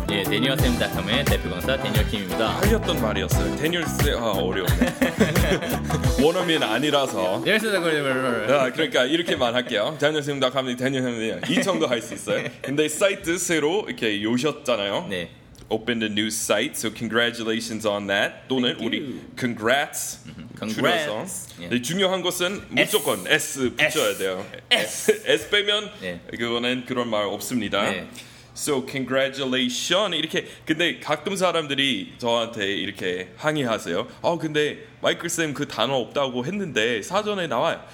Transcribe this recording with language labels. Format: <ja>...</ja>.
<ko>예, 데니얼쌤.com의 대표강사 데니얼킴입니다. 틀렸던 말이었어요. 데니얼쌤, 아 어려워. 원어민 아니라서. 그러니까 이렇게만 할게요. 데니얼쌤.com의 데니얼쌤이 이 정도 할 수 있어요. 근데 사이트 새로 이렇게 요셨잖아요. 네.</ko> <en>Opened a new site, so congratulations on that.</en> <ko>또는 우리 congrats.</ko> <en>Congrats. Yeah.</en> <ko>근데 중요한 것은 무조건 S 붙여야 돼요. S 빼면 yeah. 그거는 그런 말 없습니다.</ko> <en>Yeah. So congratulations 이렇게.</en> <ko>근데 가끔 사람들이 저한테 이렇게 항의하세요. 아 근데 마이클 쌤 그 단어 없다고 했는데 사전에 나와요.</ko>